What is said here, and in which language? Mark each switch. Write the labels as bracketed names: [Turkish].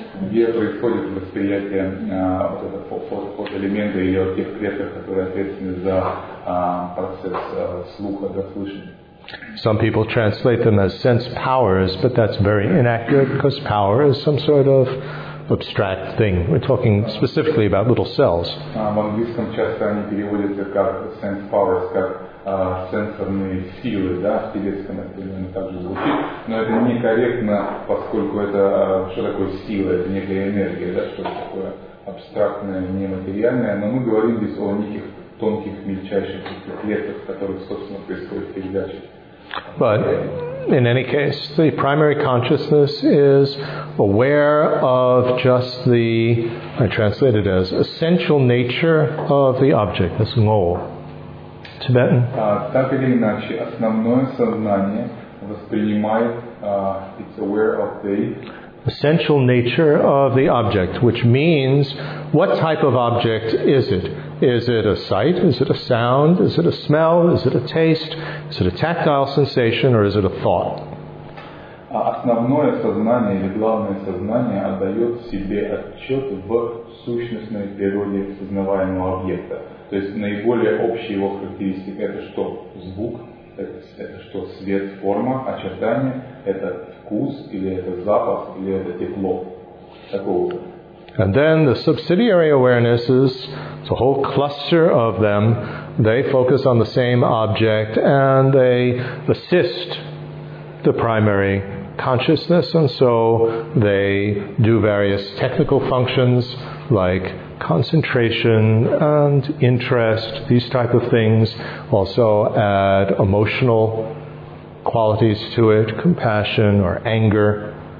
[Russian] Где происходит восприятие фотоэлемента или от тех клеток, которые ответственны за процесс слуха, да, слышания. [English] Some people translate them as sense powers, but that's very inaccurate because power is some sort of abstract thing. We're talking specifically about little cells. [Russian] В английском часто они переводятся как [English] sense powers, [Russian] как сенсорные силы, да, в тибетском это также звучит, но это некорректно, поскольку это что такое сила, это некая энергия, да, что-то такое абстрактное, нематериальное, но мы говорим здесь о неких тонких, мельчайших клеток, в которых, собственно, происходит передача. [English] But in any case, the primary consciousness is aware of just the, I translate it as, essential nature of the object, this ngo, Tibetan. [Russian] Так или иначе, основное сознание воспринимает, [English] it's aware of the essential nature of the object, which means what type of object is it? Is it a sight? Is it a sound? Is it a smell? Is it a taste? Is it a tactile sensation or is it a thought? [Russian] Основное сознание или главное сознание отдает себе отчет в сущностной природе сознаваемого объекта. То есть наиболее общая его характеристика это что? Звук? Это что? Свет, форма, очертание? Это вкус или это запах или это тепло? Такого. [English] And then the subsidiary awarenesses, it's a whole cluster of them, they focus on the same object and they assist the primary consciousness and so they do various technical functions like concentration and interest, these type of things, also add emotional qualities to it, compassion or anger.